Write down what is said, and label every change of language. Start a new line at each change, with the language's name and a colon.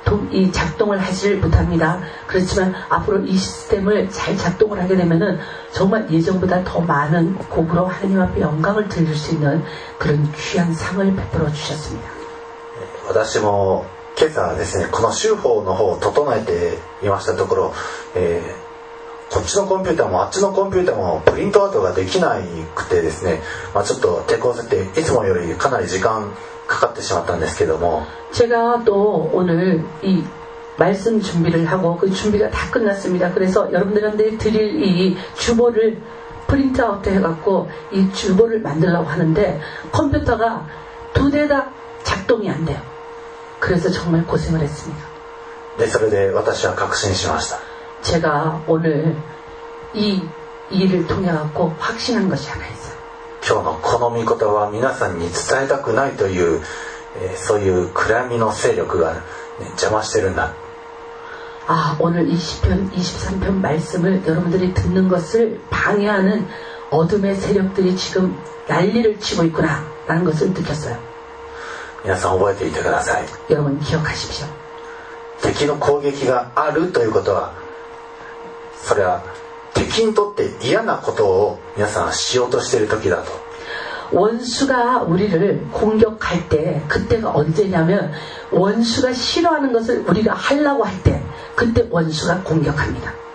Korean: 이 작동을 하지를 못합니다. 그렇지만 앞으로 이 시스템을 잘 작동을 하게 되면은 정말 예전보다 더 많은 곡으로 하나님 앞에 영광을 드릴 수 있는 그런 귀한 상을 베풀어 주셨습니다.
Japanese: 私も 今朝ですねこの修法の方を整えていましたところ こっちのコンピューターもあっちのコンピューターもプリントアウトができなくてですね ちょっと手こずっていつもよりかなり時間かかってしまったんですけども
Korean: 제가 또 오늘 이 말씀 준비를 하고 그 준비가 다 끝났습니다. 그래서 여러분들한테 드릴 이 주보를 프린트아웃해 갖고 이 주보를 만들려고 하는데 컴퓨터가 두 대 다 작동이 안 돼요. 그래서 정말 고생을 했습니다. 네, 그래서
Japanese: 確信しました
Korean: 제가 오늘 이 일을 통해 갖고 확신한 것이 하나 있어요.
Japanese: 今日のこの御言葉は皆さんに伝えたくないという そういう暗闇の勢力が邪魔してるんだ。
Korean: 아, 오늘 20편 23편 말씀을 여러분들이 듣는 것을 방해하는 어둠의 세력들이 지금 난리를 치고 있구나 라는 것을 느꼈어요.
Japanese: 皆さん覚えていてください。
Korean: 여러분 기억하십시오.
Japanese: 敵の攻撃があるということは、それは敵にとって嫌なことを皆さんしようとしている時だと。
Korean: 원수가 우리를 공격할 때 그때가 언제냐면 원수가 싫어하는 것을 우리가 하려고 할 때 그때 원수가 공격합니다.